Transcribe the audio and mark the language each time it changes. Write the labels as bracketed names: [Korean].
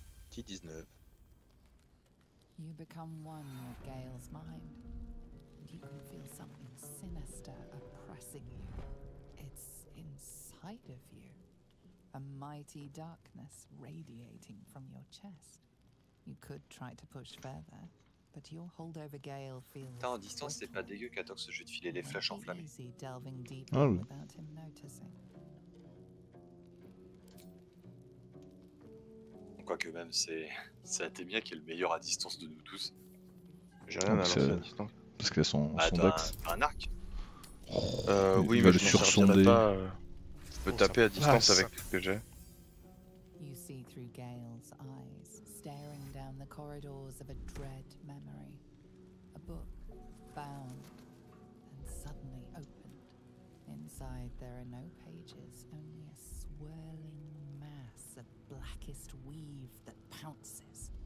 [English] T19. You become one with Gale's mind. You can feel something sinister oppressing you. It's inside of you. A mighty darkness radiating from your chest. You could try to push further, but your hold over Gale feels. [French] Attends, en distance, c'est pas dégueu, Katox, je vais te filer les flèches enflammées. [English] Delving deeper without him noticing. [French] Quoique même, c'est. Ça a été bien qu'il est le meilleur à distance de nous tous. J'ai rien donc à lancer à distance. Parce qu'il a son. Ah, son dex. Un arc. Oui, mais je ne sursonderai pas. Je peux taper à distance avec tout ce que j'ai. [English] You see through Gale's eyes, staring down the corridors of a dread memory. A book bound and suddenly opened. Inside there are no pages, only a swirling mass of blackest weave that pounces.